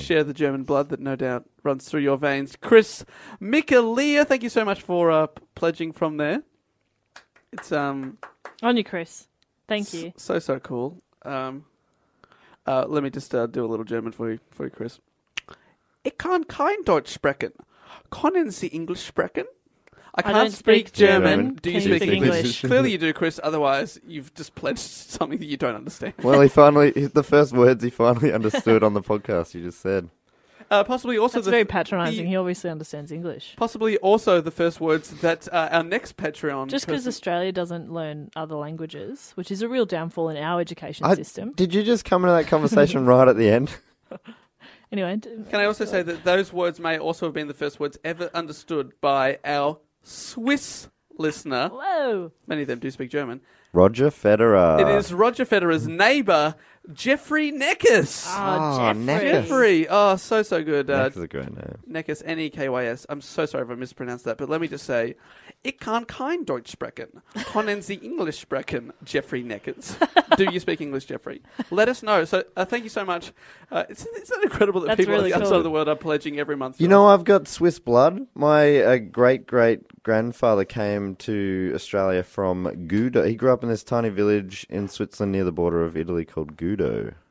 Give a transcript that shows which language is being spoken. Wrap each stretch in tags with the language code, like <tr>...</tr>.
<en>Share the German blood that no doubt runs through your veins. Chris Mikkelia, thank you so much for pledging from there. It's on you, Chris. Thank you. So cool. Let me just do a little German for you, Chris.</en> <de>Ich kann kein Deutsch sprechen. Können Sie Englisch sprechen?</de> <en>I can't speak German. Do you speak English? Clearly you do, Chris. Otherwise, you've just pledged something that you don't understand. Well, the first words he finally understood on the podcast you just said. Possibly also that's very patronising. He obviously understands English. Possibly also the first words that our next Patreon... Just because Australia doesn't learn other languages, which is a real downfall in our education system. Did you just come into that conversation right at the end? Anyway. Can I also say that those words may also have been the first words ever understood by our Swiss listener. Whoa. Many of them do speak German. Roger Federer. It is Roger Federer's neighbour... Jeffrey Neckes. Jeffrey, so good. Neckes is a great name. Neckes, N-E-K-Y-S. I'm so sorry if I mispronounced that, but let me just say, ich kann kein Deutsch sprechen.</en> <de>Können Sie Englisch sprechen, Jeffrey Neckes.</de> <en>Do you speak English, Jeffrey? Let us know. So thank you so much. It's incredible that people really outside of the world are pledging every month. You know, I've got Swiss blood. My great-great grandfather came to Australia from Gouda. He grew up in this tiny village in Switzerland near the border of Italy called Gudo.</en>